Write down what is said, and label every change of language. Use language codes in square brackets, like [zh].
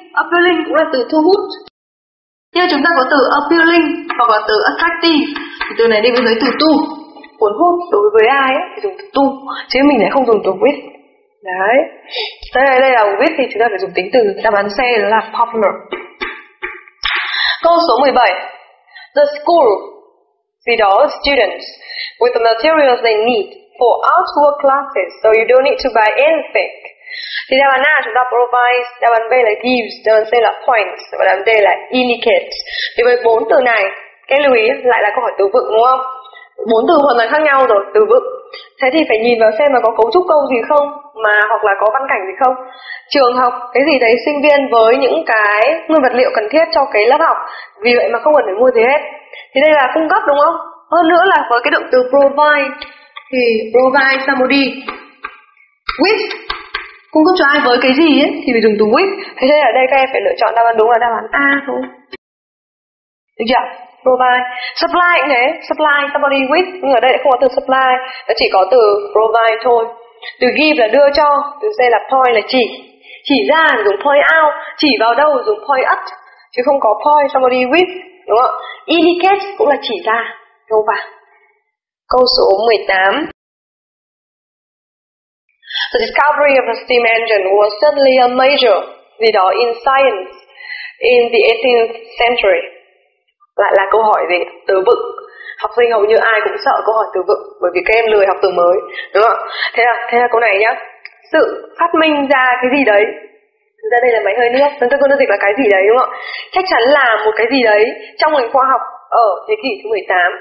[vi] Appealing cũng là từ thu hút. Như chúng ta có từ appealing hoặc là từ attractive. Thì từ này đi với từ to. Cuốn hút đối với ai ấy, thì dùng từ to. Chứ mình lại không dùng từ with. Đấy. Sau đây là with thì chúng ta phải dùng tính từ. Đáp án C là popular. Câu số 17. [en] The school feed all students with the materials they need for outdoor classes, so you don't need to buy anything. [vi] Thì đáp án A chúng ta provides, đáp án B là gives, đáp án C là points, và đáp án D là indicates. Thì với bốn từ này, cái lưu ý lại là câu hỏi từ vựng đúng không? Bốn từ hoàn toàn khác nhau rồi, từ vựng. Thế thì phải nhìn vào xem mà có cấu trúc câu gì không, mà hoặc là có văn cảnh gì không. Trường học, cái gì đấy sinh viên với những cái nguyên vật liệu cần thiết cho cái lớp học, vì vậy mà không cần phải mua gì hết. Thì đây là cung cấp đúng không? Hơn nữa là với cái động từ provide, thì [en] provide somebody with, [vi] cung cấp cho ai với cái gì ấy, thì phải dùng từ with. Thế nên ở đây các em phải lựa chọn đáp án đúng là đáp án A thôi. Được chưa? Provide, supply cũng thế, [en] supply somebody with, [vi] nhưng ở đây không có từ supply, nó chỉ có từ provide thôi. Từ give là đưa cho, từ say là point là chỉ ra là dùng point out, chỉ vào đâu dùng point at, chứ không có [en] point somebody with, [vi] đúng không? Indicate cũng là chỉ ra, đúng không? Câu số 18. [en] The discovery of the steam engine was certainly a major leader in science in the 18th century. [vi] Lại là câu hỏi về từ vựng. Học sinh hầu như ai cũng sợ câu hỏi từ vựng bởi vì các em lười học từ mới, đúng không? Thế là câu này nhá. Sự phát minh ra cái gì đấy. Thực ra đây là máy hơi nước, chúng ta có được dịch là cái gì đấy đúng không? Chắc chắn là một cái gì đấy trong ngành khoa học ở thế kỷ thứ 18.